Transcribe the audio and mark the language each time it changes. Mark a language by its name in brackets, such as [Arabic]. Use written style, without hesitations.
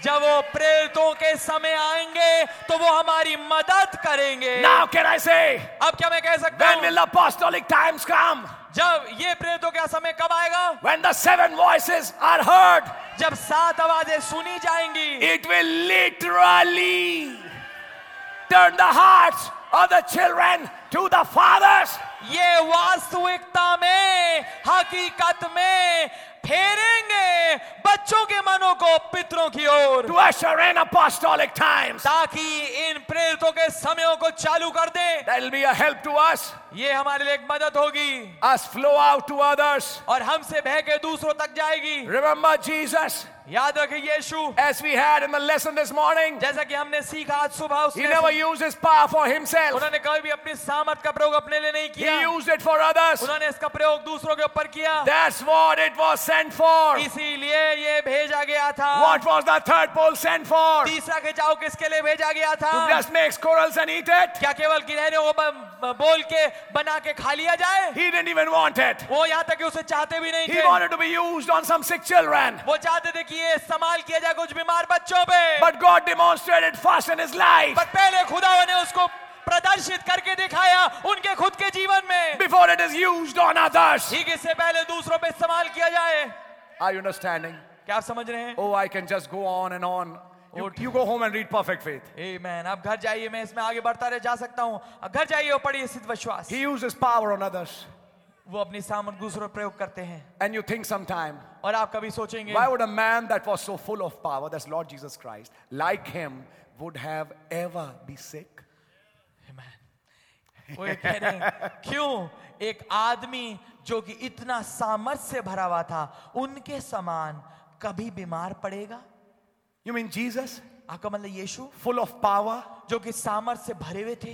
[Hindi] जब वो प्रेरितों के समय आएंगे, तो वो हमारी मदद करेंगे. [English] Now can I say? [Hindi] अब क्या मैं कह सकता हूँ? [English] When will the apostolic times come? [Hindi] जब ये प्रेरितों का समय कब आएगा? [English] When the seven voices are heard. [Hindi] जब सात आवाजें सुनी जाएंगी. [English] It will literally turn the hearts of the children to the fathers. [Hindi] ये वास्तविकता में हकीकत में फेरेंगे बच्चों के मनों को पितरों की ओर [English] to usher in apostolic times [Hindi] ताकि इन प्रेरितों के समयों को चालू कर दे [English] that'll be a help to us [Hindi] ये हमारे लिए एक मदद होगी [English] us flow out to others [Hindi] और हमसे बह के दूसरों तक जाएगी [English] remember Jesus [Hindi] याद रखिए यीशु [English] as we had in the lesson this morning [Hindi] जैसा कि हमने सीखा आज सुबह उसने [English] he never used his power for himself [Hindi] उन्होंने कभी भी अपनी सामर्थ का प्रयोग अपने लिए नहीं किया [English] he used it for others [Hindi] उन्होंने इसका प्रयोग दूसरों के ऊपर किया [English] that's what it was sent for [Hindi] इसीलिए ये भेजा गया था [English] what was the third pole sent for [Hindi] तीसरा खिंचाव किसके लिए भेजा गया था [English] to just make squirrels and eat it [Hindi] क्या केवल गिलहरियों को बोल के बना के खा लिया जाए [English] he didn't even want it [Hindi] वो यहां तक उसे चाहते भी नहीं थे [English] he wanted to be used on some sick children [Hindi] वो चाहते थे ये इस्तेमाल किया जाए कुछ बीमार बच्चों पे [English] but God demonstrated first in his life [Hindi] but पहले खुदा ने उसको प्रदर्शित करके दिखाया उनके खुद के जीवन में [English] before it is used on others [Hindi] ठीक इससे पहले दूसरों पे इस्तेमाल किया जाए [English] are you understanding [Hindi] क्या आप समझ रहे हैं [English] Oh I can just go on and on You go home and read perfect faith. Amen. [Hindi] आप घर जाइए मैं इसमें आगे बढ़ता रह जा सकता हूं घर जाइए और पढ़िए सिद्ध विश्वास [English] He uses power on others. [Hindi] वो अपनी सामर्थ दूसरों प्रयोग करते हैं [English] And you think sometime, [Hindi] और आप कभी सोचेंगे [English] Why would a man that was so full of power, that's Lord Jesus Christ, like him would have ever be sick? Amen. [Hindi] वो ये कह रहे हैं क्यों एक आदमी जो कि इतना सामर्थ से भरा हुआ था उनके समान कभी बीमार पड़ेगा [English] You mean Jesus? [Hindi] आपका मतलब यीशु? [English] Full of power, [Hindi] जो कि सामर्थ से भरे हुए थे.